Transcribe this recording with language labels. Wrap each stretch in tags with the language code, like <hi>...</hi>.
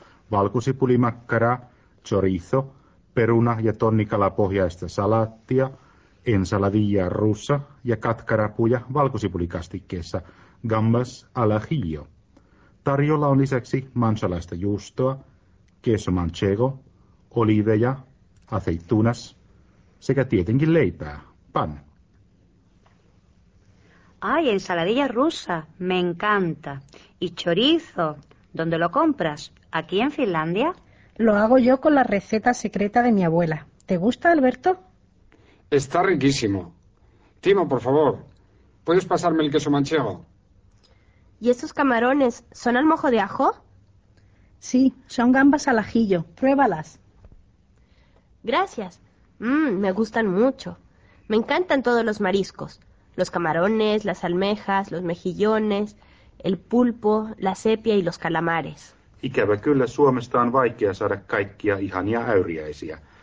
<fi>Valkosipulimakkara, chorizo, peruna ja tonnikalapohjaista salaattia,</fi> <es>ensaladilla russa</es> <fi>ja katkarapuja valkosipulikastikkeessa,</fi> <es>gambas al ajillo.</es> <fi>Tarjolla on lisäksi manchalaista juustoa,</fi> <es>queso manchego,</es> <fi>oliveja, aceitunas sekä tietenkin leipää, pan.</fi> <es>Ay, ensaladilla rusa, me encanta. Y chorizo, ¿dónde lo compras? ¿Aquí en Finlandia? Lo hago yo con la receta secreta de mi abuela. ¿Te gusta, Alberto? Está riquísimo. Timo, por favor, ¿puedes pasarme el queso manchego? ¿Y esos camarones son al mojo de ajo? Sí, son gambas al ajillo. Pruébalas. Gracias. Me gustan mucho. Me encantan todos los mariscos. Los camarones, las almejas, los mejillones, el pulpo, la sepia y los calamares.</es> <fi>Ikävä kyllä Suomesta on vaikea saada kaikkia ihania äyriäisiä.</fi>